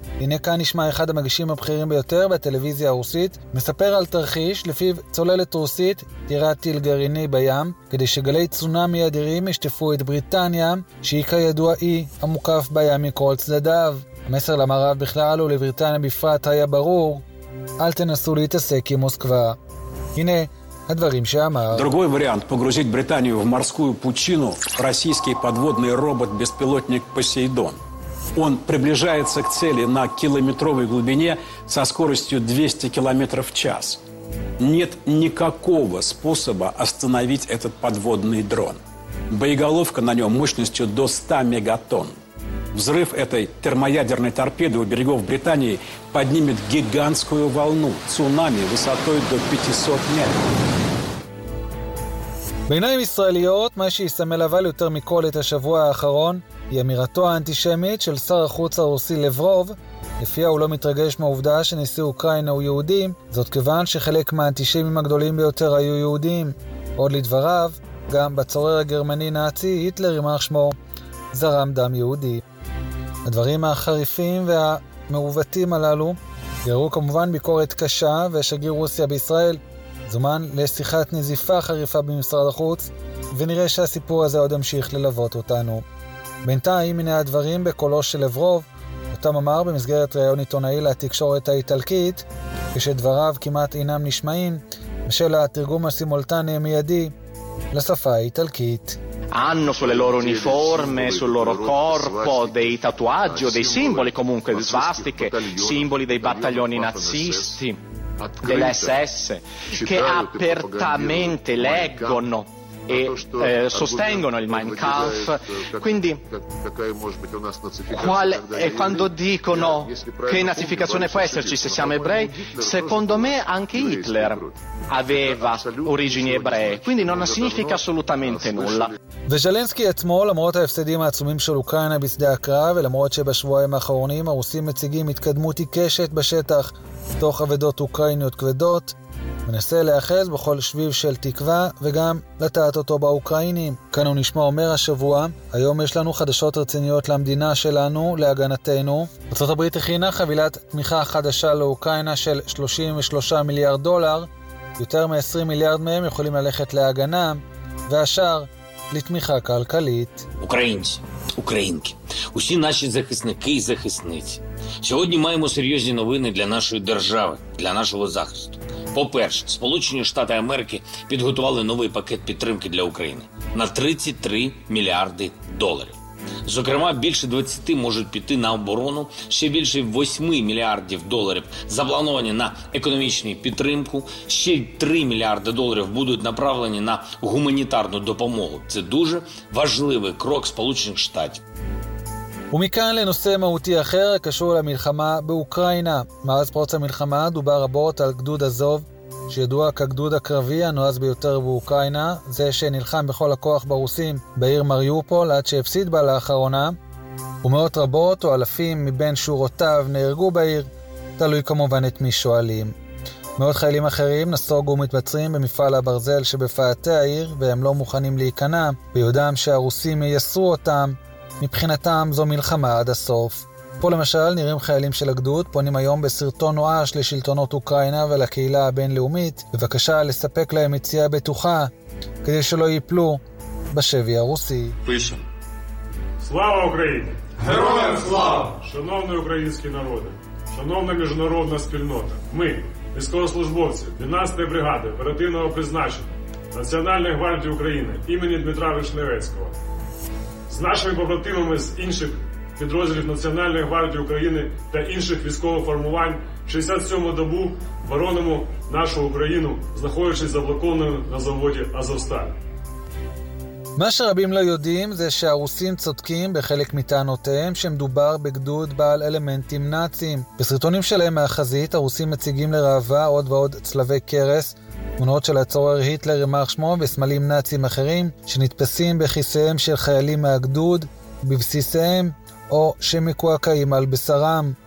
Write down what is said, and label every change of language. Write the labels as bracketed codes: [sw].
[he] הנה כאן נשמע אחד המגישים הבכירים ביותר בטלוויזיה הרוסית, מספר על תרחיש לפיו צוללת רוסית תירה טיל גרעיני בים, כדי שגלי צונמי אדירים ישטפו את בריטניה, שהיא כידוע אי המוקף בים מכל צדדיו. המסר למערב בכלל ולבריטניה בפרט היה ברור, אל תנסו להתעסק עם מוסקבה. הנה הדברים שאמר. [ru] דרוגוי וריאנט, פוגרוזית בריטניה ומרסקוי פוצ'ינו, רסיסקי פדוודני רובוט בספילוטניק פוסיידון. Он приближается к цели на километровой глубине со скоростью 200 км в час. Нет никакого способа остановить этот подводный дрон. Боеголовка на нем мощностью до 100 мегатонн. Взрыв этой термоядерной торпеды у берегов Британии поднимет гигантскую волну, цунами высотой до 500 метров. [he] בעיניים ישראליות, מה שיסמל אבל יותר מכל את השבוע האחרון, היא אמירתו האנטישמית של שר החוץ הרוסי לברוב, לפיה הוא לא מתרגש מהעובדה שנשיא אוקראינה הוא יהודים, זאת כיוון שחלק מהאנטישמים הגדולים ביותר היו יהודים. עוד לדבריו, גם בצורר הגרמני נאצי, היטלר ימח שמו, זרם דם יהודי. הדברים החריפים והמעוותים הללו גרו כמובן ביקורת קשה, ושגריר רוסיה בישראל, זומן לשיחת נזיפה חריפה במשרד החוץ, ונראה שהסיפור הזה עוד המשיך ללוות אותנו. בינתיים הנה הדברים בקולו של לברוב, אותם אמר במסגרת ראיון עיתונאי לתקשורת האיטלקית, כשדבריו כמעט אינם נשמעים, בשל התרגום הסימולטני המיידי לשפה האיטלקית. [it] Hanno sulle loro uniforme, sul loro corpo, dei tatuaggi o dei simboli comunque di svastiche, simboli dei battaglioni nazisti. Dell'SS che apertamente leggono e sostengono il Mein Kampf, quindi quando dicono che nazificazione può esserci se siamo ebrei, secondo me anche Hitler aveva origini ebree, quindi non significa assolutamente nulla. [he] וז'לנסקי עצמו, למרות ההפסדים העצומים של אוקראינה בשדה הקרב, ולמרות שבשבועיים האחרונים הרוסים מציגים התקדמות עיקשת בשטח תוך אבדות אוקראיניות כבדות, מנסה להיחז בכל שביב של תקווה וגם לטעת אותו באוקראינים. כאן הוא נשמע אומר השבוע, היום יש לנו חדשות רציניות למדינה שלנו, להגנתנו. ארצות הברית הכינה חבילת תמיכה חדשה לאוקראינה של 33 מיליארד דולר, יותר מ-20 מיליארד מהם יכולים ללכת להגנה, והשאר לתמיכה כלכלית. [uk] אוקראינס, אוקראינק, усі наші захисники і захисниці. Сьогодні маємо серйозні новини для нашої держави, для нашого захисту. По-перше, Сполучені Штати Америки підготували новий пакет підтримки для України на 33 мільярди доларів. Зокрема, більше 20 можуть піти на оборону, ще більше 8 мільярдів доларів заплановані на економічну підтримку, ще 3 мільярди доларів будуть направлені на гуманітарну допомогу. Це дуже важливий крок Сполучених Штатів. [he] ומכאן לנושא מהותי אחר קשור למלחמה באוקראינה. מאז פרוץ המלחמה דובר רבות על גדוד אזוב, שידוע כגדוד הקרבי הנועז ביותר באוקראינה, זה שנלחם בכל הכוח ברוסים בעיר מריופול עד שהפסיד בה לאחרונה, ומאות רבות או אלפים מבין שורותיו נהרגו בעיר, תלוי כמובן את מי שואלים. מאות חיילים אחרים נסוגו ומתבצרים במפעל הברזל שבפאתי העיר, והם לא מוכנים להיכנע ביודעם שהרוסים יסרו אותם. מבחינתם זו מלחמה עד הסוף. פה למשל נראים חיילים של הגדוד פונים היום בסרטון נואש לשלטונות אוקראינה ולקהילה הבינלאומית בבקשה לספק להם יציאה בטוחה כדי שלא ייפלו בשבי הרוסי. [uk] Слава Україні! Героям слава! Шановні українські народи! Шановна міжнародна спільнота! Ми, військовослужбовці 12-ї бригади оперативного призначення Національної гвардії України імені Дмитра Вишневецького з нашими побратимами з інших підрозділів Національної гвардії України та інших військових формувань 67-му добу боронимо нашу Україну, знаходячись заблокованою на заводі «Азовсталь». [he] מה שרבים לא יודעים זה שהרוסים צודקים בחלק מטענותיהם שמדובר בגדוד בעל אלמנטים נאצים. בסרטונים שלהם מהחזית הרוסים מציגים לראווה עוד ועוד צלבי קרס, תמונות של הצורר היטלר ימח שמו וסמלים נאצים אחרים שנתפסים בכיסיהם של חיילים מהגדוד, בבסיסיהם או שמקועקעים על בשרם.